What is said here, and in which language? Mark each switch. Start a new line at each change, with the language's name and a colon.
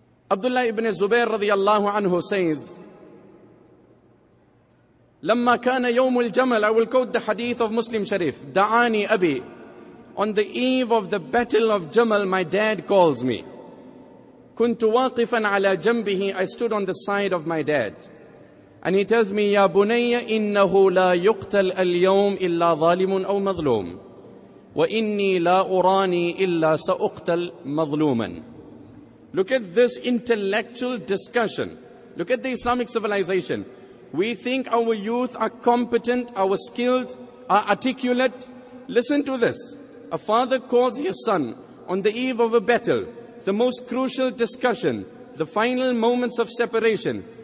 English: Abdullah ibn Zubair radiallahu anhu says,
Arabic: لَمَّا كَانَ يَوْمُ الْجَمَلِ.
English: I will quote the hadith of Muslim Sharif.
Arabic: دَعَانِي أَبِي.
English: On the eve of the battle of Jamal, my dad calls me.
Arabic: كُنْتُ وَاقِفًا عَلَى جَنْبِهِ.
English: I stood on the side of my dad. And he tells me,
Arabic: يَا بُنَيَّ إِنَّهُ لَا يُقْتَلَ الْيَوْمِ إِلَّا ظَالِمٌ أَوْ مَظْلُومٌ وَإِنِّي لَا أُرَانِي إِلَّا سَأُقْتَلْ مَظْلُومًا.
English: Look at this intellectual discussion. Look at the Islamic civilization. We think our youth are competent, are skilled, are articulate. Listen to this. A father calls his son on the eve of a battle, the most crucial discussion, the final moments of separation.